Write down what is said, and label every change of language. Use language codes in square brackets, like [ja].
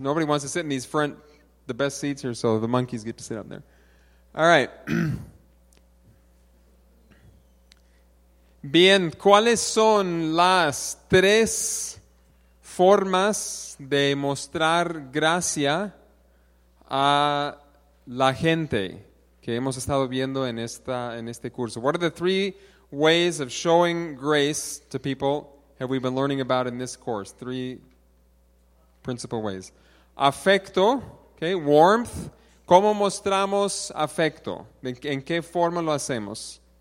[en] Nobody wants to sit in these front, the best seats here, so the monkeys get to sit up there. All right. [es] Bien, ¿cuáles son las tres formas de mostrar gracia a la gente que hemos estado viendo en esta en este curso? [en] What are the three ways of showing grace to people have we been learning about in this course? Three principal ways. Afecto, okay, warmth. [es] ¿Cómo mostramos afecto? ¿En qué forma lo hacemos?